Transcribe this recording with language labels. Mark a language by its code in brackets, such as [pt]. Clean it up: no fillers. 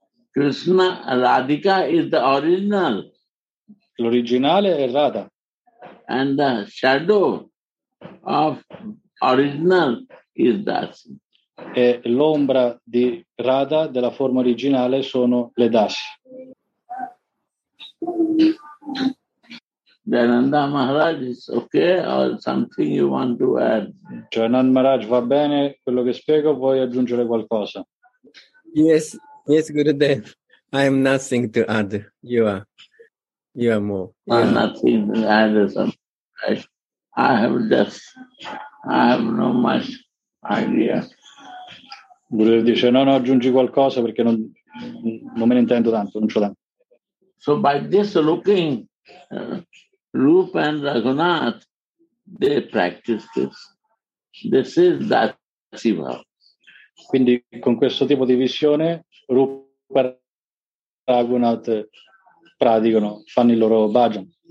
[en] Krishna, Radhika is the original. [it] L'originale è Radha. [en] And the shadow of original is Dasi. [it] E l'ombra di Radha della forma originale sono le Dasi. [en] Jayananda Maharaj is okay or something you want to add? [it] Jayananda Maharaj, va bene quello che spiego, vuoi aggiungere qualcosa? [en] Yes, yes, Gurudev. I am nothing to add. You are more. I'm nothing to add. I have no much idea. [it] Gurudev dice, no, aggiungi qualcosa perché non me ne intendo tanto, non c'ho tanto. [en] So by this looking, Rupa and Raghunath, they practice this. This is Dasi Bhav. [it] Quindi con questo tipo di visione, Rupa e Raghunath praticano, fanno il loro bhajan.